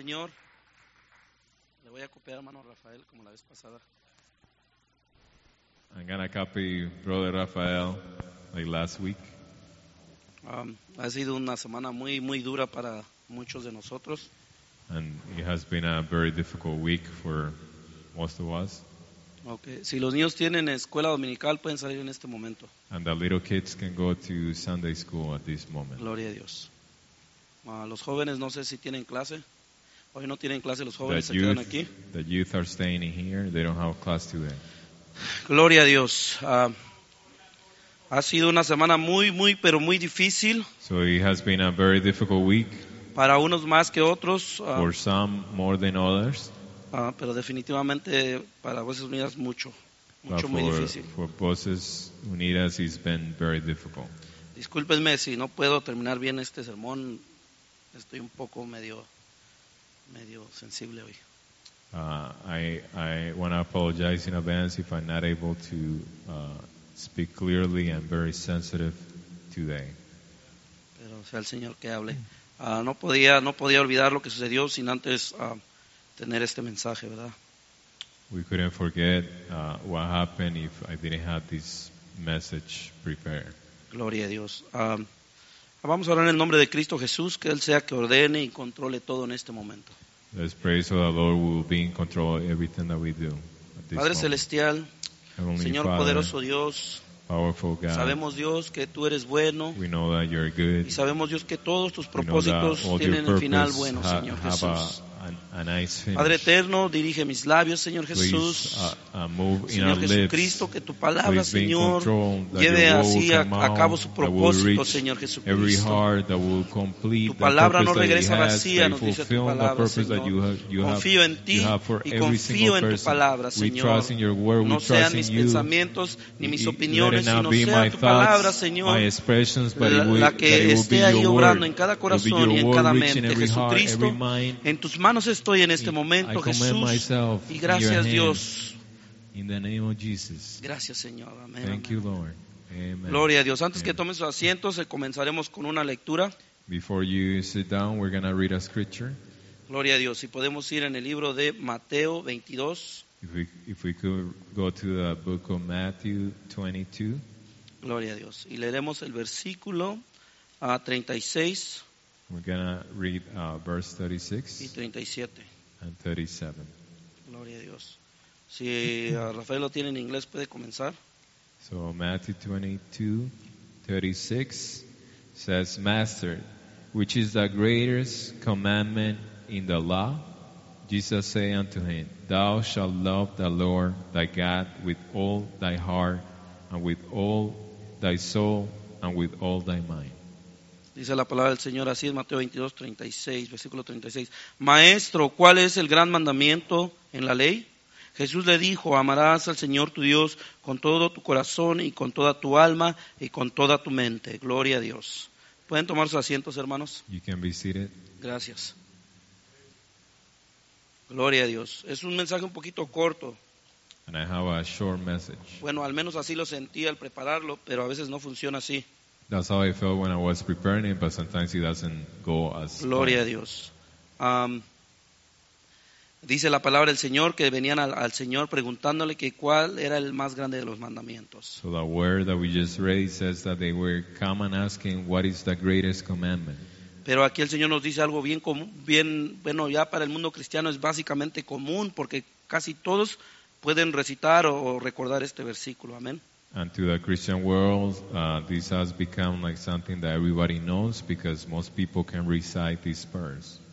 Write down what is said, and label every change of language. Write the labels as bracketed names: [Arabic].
[Spanish] Señor, le voy a copiar a mano Rafael como la vez pasada. [English] I'm gonna copy Brother Rafael like last week. [Spanish] Ha sido una semana muy muy dura para muchos de nosotros. [English] And it has been a very difficult week for most of us. Okay. [Spanish] Si los niños tienen escuela dominical, pueden salir en este momento. [English] And the little kids can go to Sunday school at this moment. [Spanish] Gloria a Dios. Los jóvenes no sé si tienen clase. Hoy no tienen clase los jóvenes, [English] the youth, [Spanish] se quedan aquí. [English] The youth are staying in here. They don't have class today. [Spanish] Gloria a Dios. Ha sido una semana muy, muy, pero muy difícil. [English] So it has been a very difficult week. [Spanish] Para unos más que otros. [English] For some more than others. [Spanish] Pero definitivamente para Voces Unidas mucho, mucho [English] for, [Spanish] muy difícil. [English] For Voces Unidas, it's been very difficult. [Spanish] Discúlpenme si no puedo terminar bien este sermón. Estoy un poco medio sensible hoy. [English] I want to apologize in advance if I'm not able to speak clearly and very sensitive today. [Spanish] Pero sea el Señor que hable. No podía olvidar lo que sucedió sin antes tener este mensaje, ¿verdad? [English] We couldn't forget what happened if I didn't have this message prepared. [Spanish] Gloria a Dios. Vamos a orar en el nombre de Cristo Jesús, que Él sea que ordene y controle todo en este momento. [English] Let's pray so the Lord will be in control of everything that we do at this [Spanish] Padre [English] moment. [Spanish] Celestial, [English] Heavenly [Spanish] Señor [English] Father, [Spanish] poderoso Dios, [English] powerful God, [Spanish] sabemos Dios que Tú eres bueno, [English] we know that you're good, [Spanish] y sabemos Dios que todos Tus propósitos tienen el final bueno, Señor Jesús. [English] A nice finish. [Spanish] Padre eterno, dirige mis labios, Señor Jesús. Señor Jesucristo, que Tu palabra, [English] please, [Spanish] Señor, [English] control, [Spanish] lleve así [English] out, [Spanish] a cabo su propósito, Señor Jesucristo. Tu palabra no regresa vacía, nos dice Tu palabra, Señor. Confío en Ti y confío en Tu palabra, Señor. No sean mis pensamientos ni mis opiniones, sino sea Tu palabra, Señor, la que esté ahí obrando en cada corazón y en cada mente, Jesucristo, en Tus manos. Manos estoy en este momento, Jesús, y gracias, Dios. [English] In the name of Jesus. [Spanish] Gracias, Señor. Amén. [English] Thank you, Lord. Amen. [Spanish] Gloria a Dios. Antes [English] Amen. [Spanish] Que tomen sus asientos, comenzaremos con una lectura. [English] Before you sit down, we're going to read a scripture. [Spanish] Gloria a Dios. Si podemos ir en el libro de Mateo 22. [English] If we could go to the book of Matthew 22. [Spanish] Gloria a Dios. Y leeremos el versículo 36. [English] We're going to read verse 36 [Spanish] y 37. [English] And 37. [Spanish] Gloria a Dios. Si Rafael lo tiene en inglés, puede comenzar. [English] So Matthew 22:36 says, Master, which is the greatest commandment in the law? Jesus said unto him, Thou shalt love the Lord thy God with all thy heart and with all thy soul and with all thy mind. [Spanish] Dice la palabra del Señor así en Mateo 22:36, versículo 36. Maestro, ¿cuál es el gran mandamiento en la ley? Jesús le dijo, amarás al Señor tu Dios con todo tu corazón y con toda tu alma y con toda tu mente. Gloria a Dios. ¿Pueden tomar sus asientos, hermanos? [English] You can be seated. [Spanish] Gracias. Gloria a Dios. Es un mensaje un poquito corto. [English] And I have a short message. [Spanish] Bueno, al menos así lo sentí al prepararlo, pero a veces no funciona así. [English] That's how I felt when I was preparing it, but sometimes it doesn't go as [Spanish] Gloria [English] planned. [Spanish] A Dios. Dice la palabra del Señor que venían al Señor preguntándole que cuál era el más grande de los mandamientos. [English] So the word that we just read says that they were coming asking what is the greatest commandment. [Spanish] Pero aquí el Señor nos dice algo bien común, bien bueno, ya para el mundo cristiano es básicamente común porque casi todos pueden recitar o recordar este versículo. Amén. [English] And to the Christian world, this has become like something that everybody knows because most people can recite this verse.